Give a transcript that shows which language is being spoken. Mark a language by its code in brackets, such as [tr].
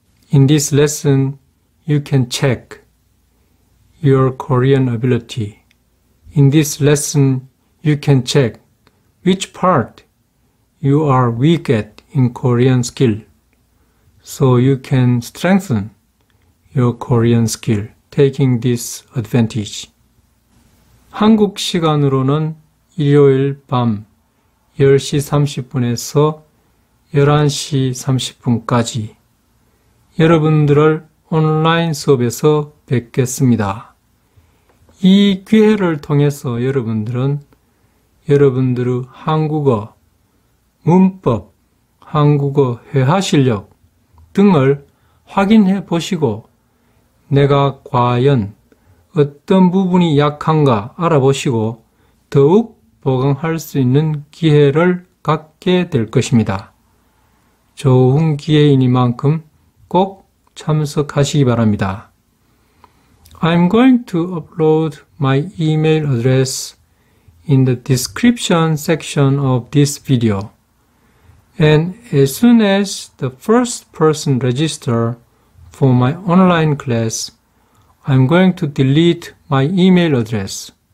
[en] In this lesson, you can check your Korean ability. In this lesson, you can check which part you are weak at in Korean skill so you can strengthen your Korean skill, taking this advantage. [ko] 한국 시간으로는 일요일 밤 10시 30분에서 11시 30분까지 여러분들을 온라인 수업에서 뵙겠습니다. 이 기회를 통해서 여러분들은 여러분들의 한국어, 문법, 한국어 회화 실력 등을 확인해 보시고 내가 과연 어떤 부분이 약한가 알아보시고 더욱 보강할 수 있는 기회를 갖게 될 것입니다. 좋은 기회이니만큼 꼭 참석하시기 바랍니다. [en] I'm going to upload my email address in the description section of this video. And as soon as the first person register for my online class, I'm going to delete my email address.